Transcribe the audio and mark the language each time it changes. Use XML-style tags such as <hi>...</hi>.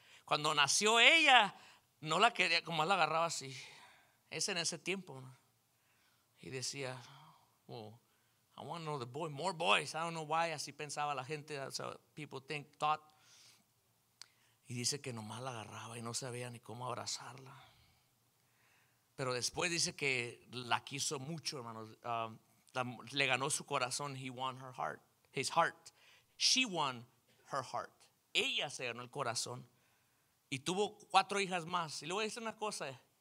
<es>Cuando nació ella, no la quería, como la agarraba así. Es en ese tiempo, ¿no? Y decía, oh,</es> <en>I want another boy, more boys. I don't know why,</en> <es>así pensaba la gente,</es> <en>that's how people think, thought.</en> <es>Y dice que nomás la agarraba y no sabía ni cómo abrazarla. Pero después dice que la quiso mucho, hermanos. Le ganó su corazón.</es> <en>He won her heart. His heart. She won her heart.</en> <es>Ella se ganó el corazón. Y tuvo cuatro hijas más. Y le voy a decir una cosa.</es>